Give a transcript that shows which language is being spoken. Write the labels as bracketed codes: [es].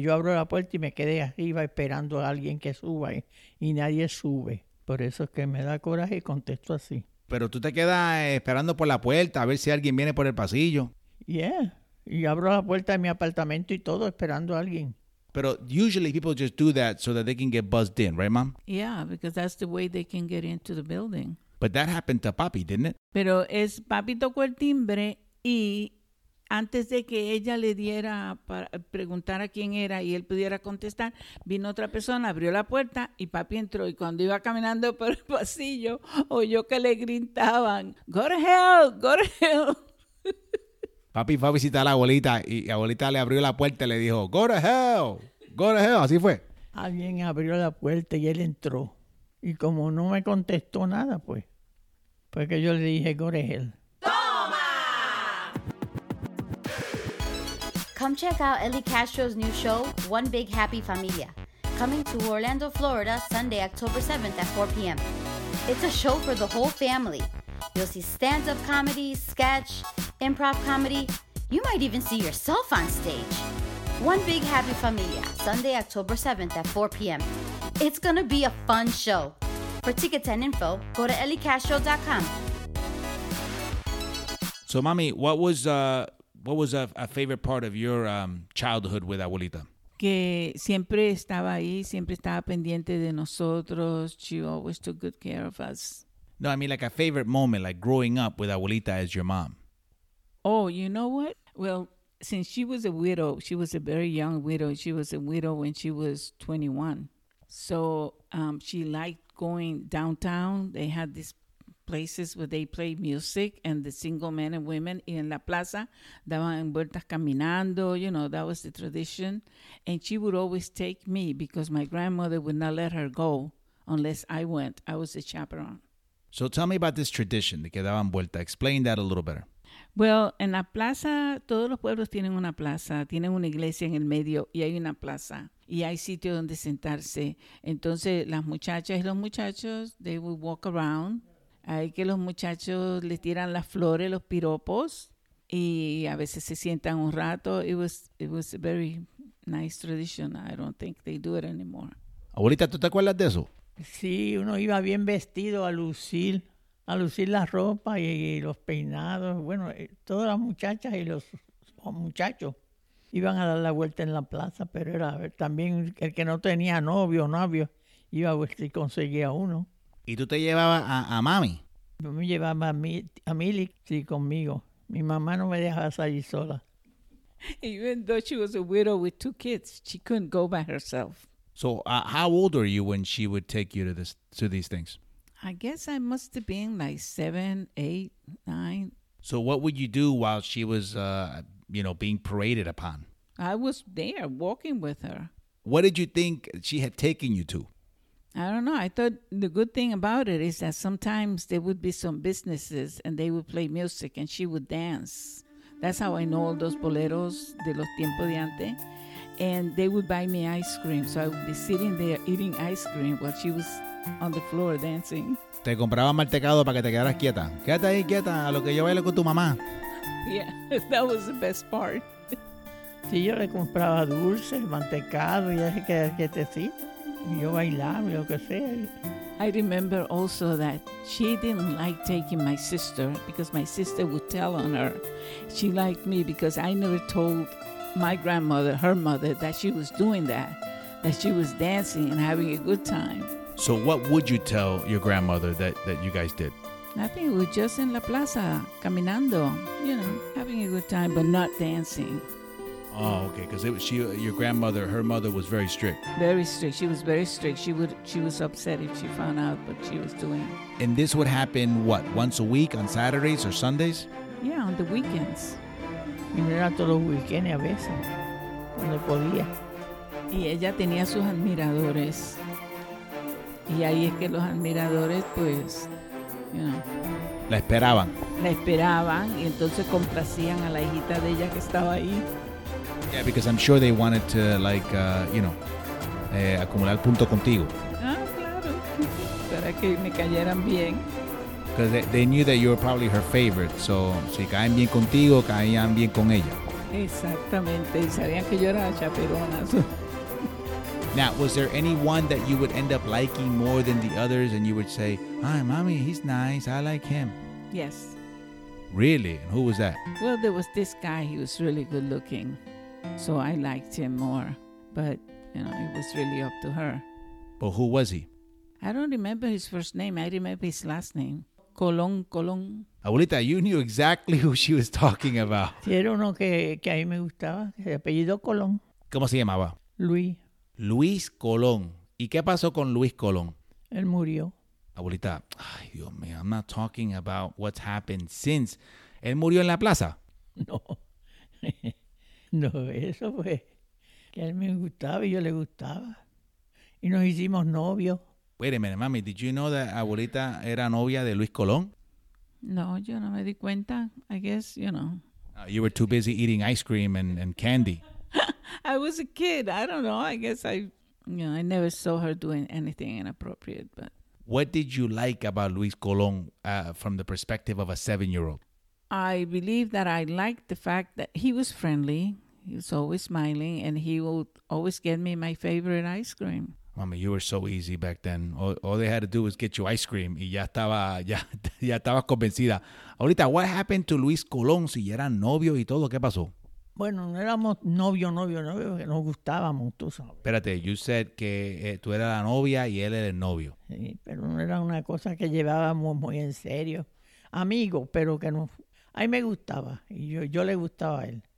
[es] Yo abro la puerta y me quedé arriba esperando a alguien que suba y nadie sube. Por eso es que me da coraje y contesto así. Pero tú te quedas esperando por la puerta a ver si alguien viene por el pasillo. Yeah, y abro la puerta de mi apartamento y todo esperando a alguien. Pero [en] usually people just do that so that they can get buzzed in, right, mom? Yeah, because that's the way they can get into the building. But that happened to papi, didn't it? [es] Pero es papi tocó el timbre y antes de que ella le diera para preguntar a quién era y él pudiera contestar, vino otra persona, abrió la puerta y papi entró. Y cuando iba caminando por el pasillo, oyó que le gritaban, [en] go to hell, go to hell. [es] Papi fue a visitar a la abuelita y la abuelita le abrió la puerta y le dijo, [en] go to hell, go to hell. [es] Así fue. Alguien abrió la puerta y él entró. Y como no me contestó nada, pues, porque yo le dije, [en] go to hell. [es] ¡Toma! [en] Come check out Ellie Castro's new show, One Big Happy Familia, coming to Orlando, Florida, Sunday, October 7th at 4 p.m. It's a show for the whole family. You'll see stand-up comedy, sketch, improv comedy. You might even see yourself on stage. One Big Happy Familia, Sunday, October 7th at 4 p.m. It's going to be a fun show. For tickets and info, go to elliecastro.com. So, mommy, what was a favorite part of your childhood with Abuelita? [es] Que siempre estaba ahí, siempre estaba pendiente de nosotros. [en] She always took good care of us. No, I mean like a favorite moment, like growing up with Abuelita as your mom. Oh, you know what? Well, since she was a widow, she was a very young widow. She was a widow when she was 21. So she liked going downtown. They had these places where they played music and the single men and women in La Plaza, [es] daban vueltas caminando, [en] you know, that was the tradition. And she would always take me because my grandmother would not let her go unless I went. I was a chaperone. So tell me about this tradition, [es] de que daban vuelta. [en] Explain that a little better. Well, [es] en la plaza, todos los pueblos tienen una plaza, tienen una iglesia en el medio y hay una plaza y hay sitio donde sentarse. Entonces, las muchachas y los muchachos, [en] they would walk around. [es] Hay que los muchachos les tiran las flores, los piropos, y a veces se sientan un rato. [en] It was a very nice tradition. I don't think they do it anymore. [es] Abuelita, ¿tú te acuerdas de eso? Sí, uno iba bien vestido a lucir la ropa y los peinados. Bueno, todas las muchachas y los muchachos iban a dar la vuelta en la plaza, pero era también el que no tenía novio, iba a ver si conseguía uno. ¿Y tú te llevabas a mami? Yo me llevaba a Milly, sí, conmigo. Mi mamá no me dejaba salir sola. [en] Even though she was a widow with two kids, she couldn't go by herself. So how old are you when she would take you to these things? I guess I must have been like 7, 8, 9. So what would you do while she was, being paraded upon? I was there walking with her. What did you think she had taken you to? I don't know. I thought the good thing about it is that sometimes there would be some businesses and they would play music and she would dance. That's how I know all those boleros [es] de los tiempos de antes. [en] And they would buy me ice cream. So I would be sitting there eating ice cream while she was on the floor dancing. [es] Te compraba mantecado para que te quedaras quieta. Quédate ahí quieta a lo que yo bailo con tu mamá. [en] Yeah, that was the best part. [es] Sí, yo le compraba dulces, mantecado, y así que quietecito. Y yo bailaba, lo que sea. [en] I remember also that she didn't like taking my sister because my sister would tell on her. She liked me because I never told my grandmother, her mother, that she was doing that, that she was dancing and having a good time. So what would you tell your grandmother that you guys did? Nothing. We were just in La Plaza, caminando, you know, having a good time, but not dancing. Oh, okay. Because your grandmother, her mother was very strict. Very strict. She was very strict. She was upset if she found out what she was doing. And this would happen, what, once a week on Saturdays or Sundays? Yeah, on the weekends. [es] Y no era todos los weekends a veces, cuando podía. Y ella tenía sus admiradores. Y ahí es que los admiradores, pues, [en] you know. [es] La esperaban. La esperaban y entonces complacían a la hijita de ella que estaba ahí. [en] Yeah, because I'm sure they wanted to, like, you know, [es] acumular punto contigo. Ah, claro. Para que me cayeran bien. [en] Because they knew that you were probably her favorite. [es] So, si caen bien contigo, caían bien con ella. Exactamente. Sabían que yo era chaperona. [en] Now, was there anyone that you would end up liking more than the others and you would say, "Ay, mommy, he's nice. I like him." Yes. Really? And who was that? Well, there was this guy. He was really good looking. So I liked him more. But, you know, it was really up to her. But who was he? I don't remember his first name. I remember his last name. Colón, Colón. Abuelita, you knew exactly who she was talking about. [es] Sí, era uno que a mí me gustaba. Se apellido Colón. ¿Cómo se llamaba? Luis. Luis Colón. ¿Y qué pasó con Luis Colón? Él murió. [en] Abuelita, [es] ay, Dios mío, [en] I'm not talking about what's happened since. [es] ¿Él murió en la plaza? No. No, eso fue que él me gustaba y yo le gustaba. Y nos hicimos novios. [en] Wait a minute, mami. Did you know that Abuelita [es] era novia de [en] Luis Colón? [es] No, yo no me di cuenta. [en] I guess, you know. You were too busy eating ice cream and candy. I was a kid. I don't know. I guess I never saw her doing anything inappropriate. But what did you like about Luis Colón from the perspective of a seven-year-old? I believe that I liked the fact that he was friendly. He was always smiling, and he would always get me my favorite ice cream. Mami, you were so easy back then. All they had to do was get you ice cream, [es] y ya estaba convencida. [en] Ahorita, what happened to Luis Colón? [es] Si eran novio y todo, ¿qué pasó? Bueno, no éramos novio, que nos gustábamos, tú sabes. Espérate, [en] you said [es] que tú eras la novia y él era el novio. Sí, pero no era una cosa que llevábamos muy en serio. Amigo, pero que no. Ahí me gustaba, y yo le gustaba a él.